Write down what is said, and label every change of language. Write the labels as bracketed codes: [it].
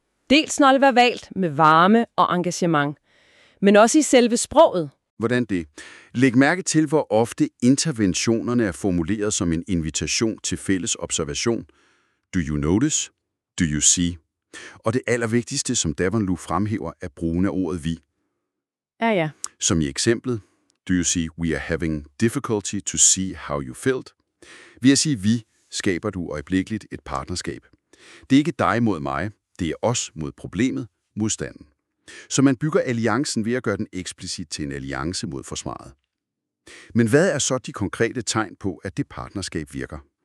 [da] Dels når det var valgt med varme og engagement, men også i selve sproget. Hvordan det? Læg mærke til, hvor ofte interventionerne er formuleret som en invitation til fælles observation. [en] Do you notice? Do you see? [da] Og det allervigtigste, som Davonlu fremhæver, er brugen af ordet vi. Ja, ja. Som i eksemplet. [en] Do you see we are having difficulty to see how you felt? [da] Ved at sige vi, skaber du øjeblikkeligt et partnerskab. Det er ikke dig mod mig. Det er os mod problemet, modstanden. Så man bygger alliancen ved at gøre den eksplicit til en alliance mod forsvaret. Men hvad er så de konkrete tegn på, at det partnerskab virker?